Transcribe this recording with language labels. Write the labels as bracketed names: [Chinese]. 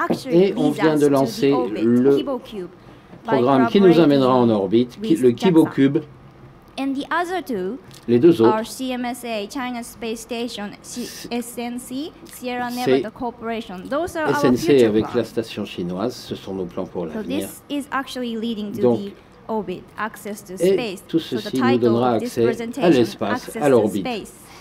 [French] Et on vient de lancer le programme qui nous amènera en orbite, le KiboCube. [English] And the other two, [French] les deux autres, [English] are CMSA, China Space Station, SNC, Sierra Nevada Corporation. Those are SNC our future [French] avec [English] plans. [French] La station chinoise, ce sont nos plans pour l'avenir. [English] So this is actually leading to the orbit, access to space. [French] Et tout ceci nous donnera accès à l'espace, à l'orbite.